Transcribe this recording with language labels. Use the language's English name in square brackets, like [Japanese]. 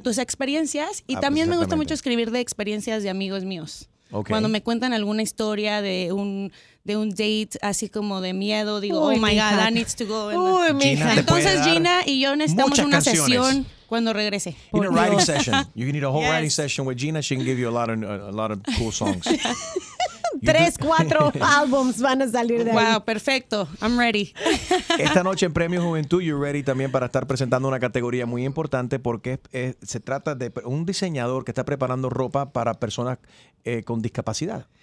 [Spanish] tus experiencias. Y también me gusta mucho escribir de experiencias de amigos míos. [English] Okay. [Spanish] Cuando me cuentan alguna historia de un date así como de miedo, digo, [English] oh my God, that needs to go. [Spanish] Uy, mi hija. Entonces Gina y yo necesitamos una sesión cuando regrese. [English] In a writing session. You need a whole writing session with Gina. She can give you a lot of cool songs. [Spanish] Tres, cuatro álbums van a salir de ahí. [English] Wow, [Spanish] perfecto. [English] I'm ready. [Spanish] Esta noche en Premio Juventud, [English] you're ready [Spanish] también para estar presentando una categoría muy importante porque se trata de un diseñador que está preparando ropa para personas con discapacidad.